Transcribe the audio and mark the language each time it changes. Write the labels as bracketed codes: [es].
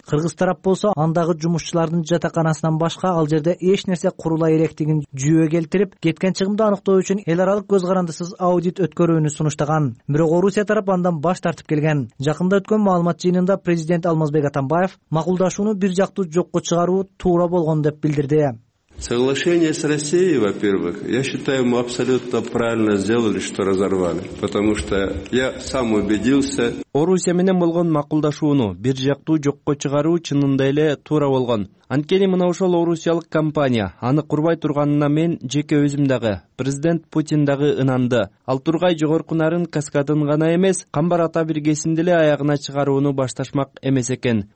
[ky] Кыргыз тарап болсо андагы жумушчулардын жатаканасынан башка ал жерде эч нерсе курула электигин жүйөгө келтирип, кеткен чыгымды аныктоо үчүн эл аралык көз карандысыз аудит өткөрүүнү сунуштаган. Бирок Орусия тарап андан баш тартып келген. Жакында өткөн маалымат жыйынында президент Алмазбек Атамбаев макулдашууну бир жактуу жокко чыгаруу туура болгон деп билдирди. [ru] Соглашение с Россией, во-первых, я считаю, мы абсолютно правильно сделали, что разорвали, потому что я сам убедился. [ky] Орусия менен болгон макулдашууну бир жактуу жокко чыгаруу чынында эле туура болгон. Анткени мына ошол орусиялык компания аны курбай турганына мен жеке өзүм дагы президент Путин дагы ынанды. Ал Тургай жогорку Нарын каскадын гана эмес, камбар ата биргесин деле аягына чыгарууну башташмак эмес экен.